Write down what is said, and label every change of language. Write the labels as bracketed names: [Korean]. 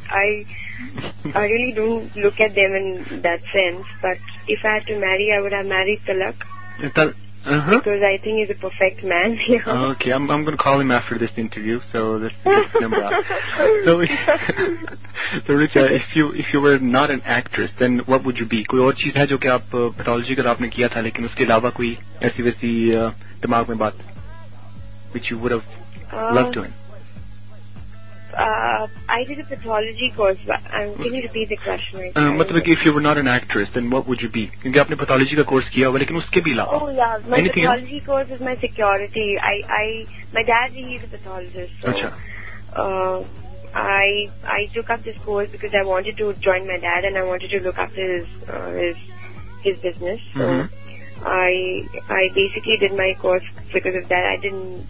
[English] I really don't look at them in that sense. But if I had to marry, I would have married Tilak. Because I think he's a perfect man. You know? Okay, I'm going to call him after this interview. So that's the number. So, Richa, if you were not an actress, then what would you be? [Hindi] कोई और चीज़ है जो कि आप pathology का आपने किया था, लेकिन उसके अलावा कोई ऐसी वैसी दिमाग में बात [English] which you would have loved doing? I did a pathology course. But I'm going to repeat the question right now. [Hindi] मतलब कि [English] if you were not an actress, then what would you be? [Hindi] क्योंकि आपने pathology का course किया हुआ, लेकिन उसके भी लाभ. [English] Oh yeah, my pathology course is my security. My dad, he is a pathologist. So, [Hindi] अच्छा. [English] I took up this course because I wanted to join my dad and I wanted to look after his business. So, I basically did my course because of that.